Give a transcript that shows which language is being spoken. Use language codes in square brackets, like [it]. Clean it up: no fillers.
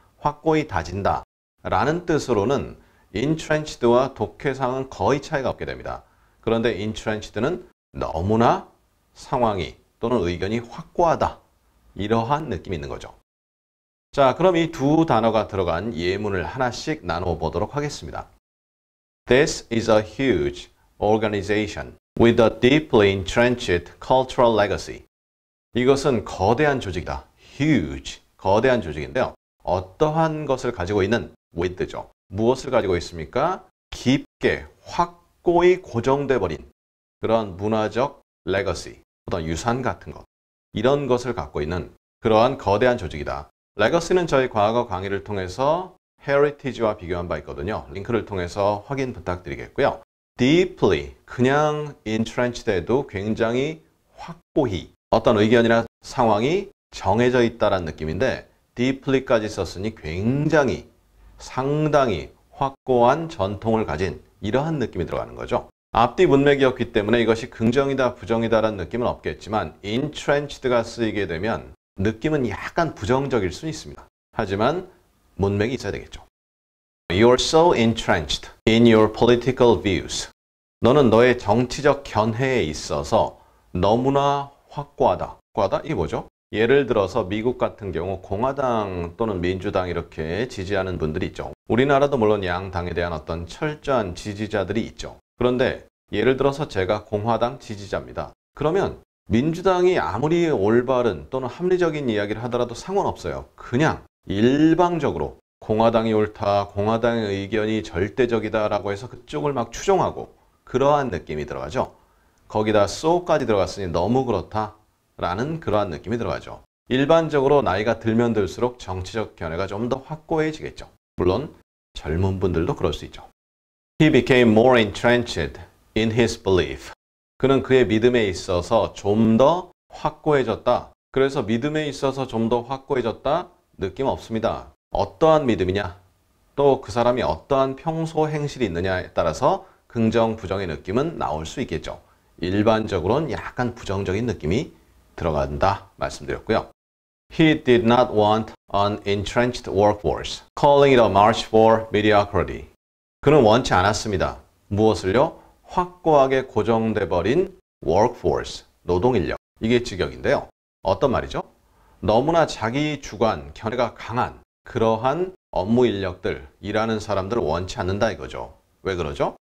[ko] 확고히 다진다. 라는 뜻으로는 entrenched와 독해상은 거의 차이가 없게 됩니다. 그런데 entrenched는 너무나 상황이 또는 의견이 확고하다. 이러한 느낌이 있는 거죠. 자, 그럼 이 두 단어가 들어간 예문을 하나씩 나누어 보도록 하겠습니다. [en] This is a huge organization with a deeply entrenched cultural legacy. [ko] 이것은 거대한 조직이다. Huge, 거대한 조직인데요. 어떠한 것을 가지고 있는 with죠. 무엇을 가지고 있습니까? 깊게, 확고히 고정돼버린 그런 문화적 legacy, 어떤 유산 같은 것. 이런 것을 갖고 있는 그러한 거대한 조직이다. Legacy는 저희 과거 강의를 통해서 Heritage와 비교한 바 있거든요. 링크를 통해서 확인 부탁드리겠고요. Deeply, 그냥 entrenched 해도 굉장히 확고히 어떤 의견이나 상황이 정해져 있다는 느낌인데 Deeply까지 썼으니 굉장히 상당히 확고한 전통을 가진 이러한 느낌이 들어가는 거죠. 앞뒤 문맥이었기 때문에 이것이 긍정이다, 부정이다라는 느낌은 없겠지만 entrenched가 쓰이게 되면 느낌은 약간 부정적일 수 있습니다. 하지만 문맥이 있어야 되겠죠. [en] You're so entrenched in your political views. [ko] 너는 너의 정치적 견해에 있어서 너무나 확고하다. 확고하다? 이게 뭐죠? 예를 들어서 미국 같은 경우 공화당 또는 민주당 이렇게 지지하는 분들이 있죠. 우리나라도 물론 양당에 대한 어떤 철저한 지지자들이 있죠. 그런데 예를 들어서 제가 공화당 지지자입니다. 그러면 민주당이 아무리 올바른 또는 합리적인 이야기를 하더라도 상관없어요. 그냥 일방적으로 공화당이 옳다, 공화당의 의견이 절대적이다라고 해서 그쪽을 막 추종하고 그러한 느낌이 들어가죠. 거기다 so까지 들어갔으니 너무 그렇다라는 그러한 느낌이 들어가죠. 일반적으로 나이가 들면 들수록 정치적 견해가 좀 더 확고해지겠죠. 물론 젊은 분들도 그럴 수 있죠. [en] He became more entrenched in his belief. [ko] 그는 그의 믿음에 있어서 좀 더 확고해졌다. 그래서 믿음에 있어서 좀 더 확고해졌다? 느낌 없습니다. 어떠한 믿음이냐? 또 그 사람이 어떠한 평소 행실이 있느냐에 따라서 긍정, 부정의 느낌은 나올 수 있겠죠. 일반적으로는 약간 부정적인 느낌이 들어간다 말씀드렸고요. [en] He did not want an entrenched workforce, calling it a march for mediocrity. [ko] 그는 원치 않았습니다. 무엇을요? 확고하게 고정돼버린 workforce, 노동인력. 이게 직역인데요. 어떤 말이죠? 너무나 자기 주관, 견해가 강한 그러한 업무 인력들, 일하는 사람들을 원치 않는다 이거죠. 왜 그러죠?